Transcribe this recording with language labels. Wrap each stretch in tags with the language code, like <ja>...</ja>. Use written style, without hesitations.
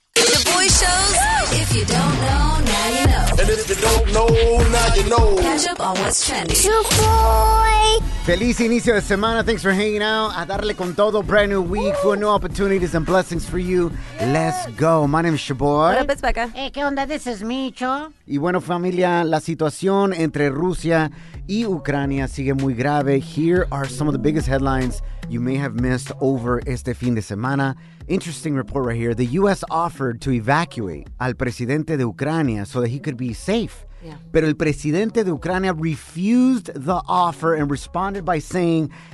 <en>The boy shows. If you don't know, now you know. And if you don't know, now you know. Catch up on what's trending. Your boy.</en> <es>Feliz inicio de semana.</es> <en>Thanks for hanging out.</en> <es>A darle con todo.</es> <en>Brand new week. Woo. Full new opportunities and blessings for you. Yes. Let's go. My name is Shaboy. What up, it's Becca. Hey,</en> <es>¿qué onda?</es> <en>This is Micho.</en> <es>Y bueno, familia, la situación entre Rusia y Ucrania sigue muy grave.</es> <en>Here are some of the biggest headlines you may have missed over</en> <es>este fin de semana.</es> <en>Interesting report right here. The U.S. offered to evacuate</en> <es>al presidente de Ucrania</es> <en>so that he could be safe. Yeah.</en> <es>Pero el presidente de Ucrania</es> <en>refused the offer and responded by saying,</en>